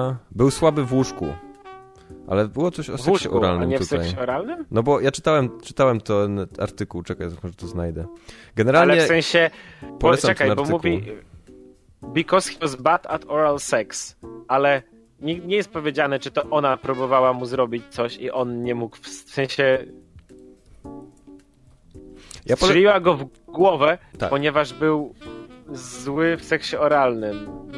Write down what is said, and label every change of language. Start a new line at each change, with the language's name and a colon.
Polish: Był słaby w łóżku. Ale było coś o seksie oralnym tutaj. tutaj. W seksie oralnym? No bo ja czytałem ten artykuł, czekaj, może to znajdę. Generalnie... Ale w sensie... Polecam, czekaj, bo mówi...
English: Because he was bad at oral sex.
Polish: Ale nie jest powiedziane, czy to ona próbowała mu zrobić coś i on nie mógł... W sensie... Strzeliła go w głowę, tak. Ponieważ był zły w seksie oralnym.